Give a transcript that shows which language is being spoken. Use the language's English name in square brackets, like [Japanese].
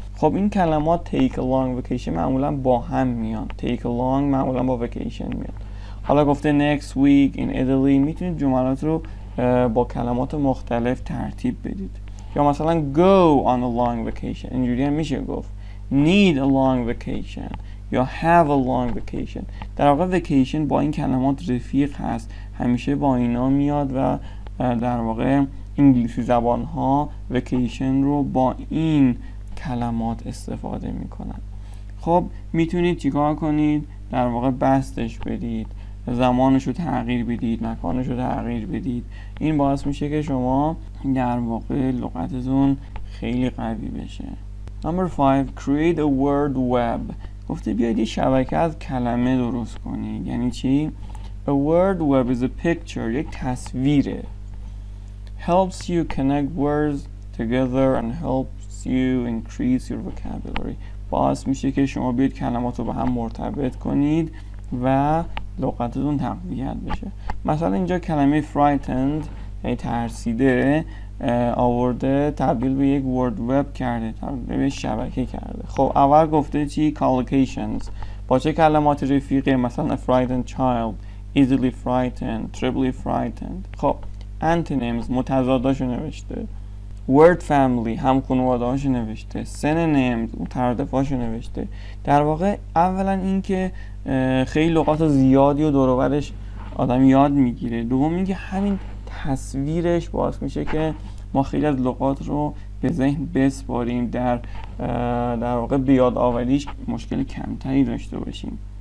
[Persian] خب این کلمات [English] take a long vacation [Persian] معمولا با هم میان. [English] Take a long [Persian] معمولا با vacation میان. حالا گفته [English] next week in Italy [Persian] میتونید جملات رو با کلمات مختلف ترتیب بدید. یا مثلا [English] go on a long vacation [Persian] اینجوری هم میشه گفت. [English] Need a long vacation یا have a long vacation. [Persian] در واقع vacation با این کلمات رفیق هست، همیشه با اینا میاد و در واقع انگلیسی زبان ها vacation رو با این کلمات استفاده میکنن. خب میتونید چیکار کنید؟ در واقع بستش بدید، زمانش رو تغییر بدید، مکانش رو تغییر بدید. این باعث میشه که شما در واقع لغتتون خیلی قوی بشه. [English] Number 5 create a word web. [Persian] گفته بیاید یه شبکه از کلمه درست کنید. یعنی چی؟ [English] A word web is a picture. [Persian] یک تصویره. [English] Helps you connect words together and help you increase your vocabulary. [Persian] باعث میشه که شما بیاید کلمات رو با هم مرتبط کنید و لغتتون تقویت بشه. مثلا اینجا کلمه frightened یعنی ترسیده آورده تبدیل به یک word web کرده، تبدیل به شبکه کرده. خب اول گفته چی؟ collocations. با چه کلمات رفیقه؟ مثلا [English] frightened child, easily frightened, trebly frightened. [Persian] خب antonyms متضاداشو نوشته. Word family هم خانواده‌هاشو نوشته. Synonyms مترادفاشو نوشته. در واقع اولا این که خیلی لغات زیادی و دور و برش آدم یاد میگیره. دوم این که همین تصویرش باعث میشه که ما خیلی از لغات رو به ذهن بسپاریم، در واقع بیاد آوریش مشکل کمتری داشته باشیم.